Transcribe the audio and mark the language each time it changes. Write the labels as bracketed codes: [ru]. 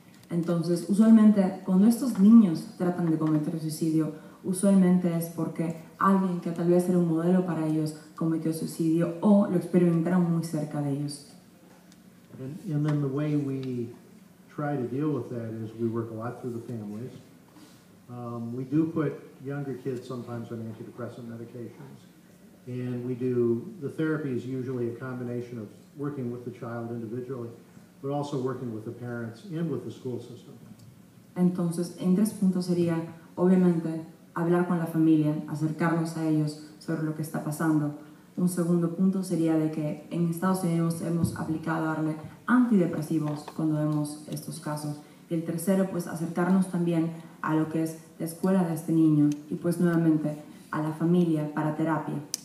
[es] Entonces, usualmente, cuando estos niños tratan de cometer suicidio, usualmente es porque alguien que tal vez era un modelo para ellos cometió suicidio o lo experimentaron muy cerca de ellos. [en] And then the way we try to deal with that is we work a lot through the families. We do put younger kids sometimes on antidepressant medications. And we do, the therapy is usually a combination of working with the child individually, but also working with the parents and with the school system. [es] Entonces, en 3 puntos sería, obviamente, hablar con la familia, acercarnos a ellos sobre lo que está pasando. Un segundo punto sería de que en Estados Unidos hemos aplicado darle antidepresivos cuando vemos estos casos. Y el tercero, pues acercarnos también a lo que es la escuela de este niño y pues nuevamente a la familia para terapia.